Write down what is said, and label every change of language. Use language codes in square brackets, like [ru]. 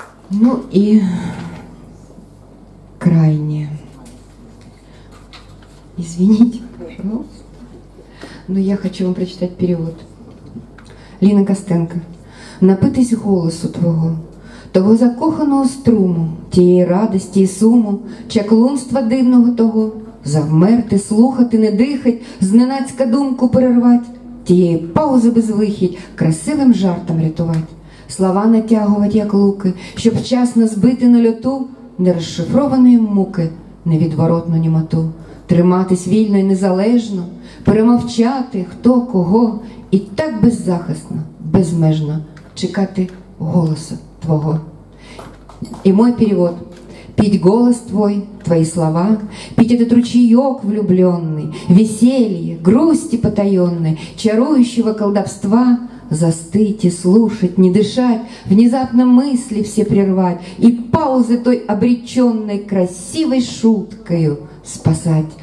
[ru] Ну и крайнее. Извините, пожалуйста. Но я хочу вам прочитать перевод. [uk] Ліна Костенко. Напитись голосу твого, того закоханого струму, тієї радості і суму, чаклунства дивного того, завмерти, слухати, не дихать, зненацька думку перервать, тієї паузи безвихідь, красивим жартом рятувать, слова натягувати, як луки, щоб вчасно збити на льоту нерозшифрованої муки, невідворотну німоту. Триматись вільно і незалежно, перемовчати, хто кого, і так беззахисно, безмежно чекати голосу твого. [ru] І мой перевод. Пить голос твой, твої слова, пить этот ручейок влюблённый, веселье, грусти потаённы, чарующего колдовства, застыть и слушать, не дышать, внезапно мысли все прервать и паузы той обречённой красивой шуткою спасать.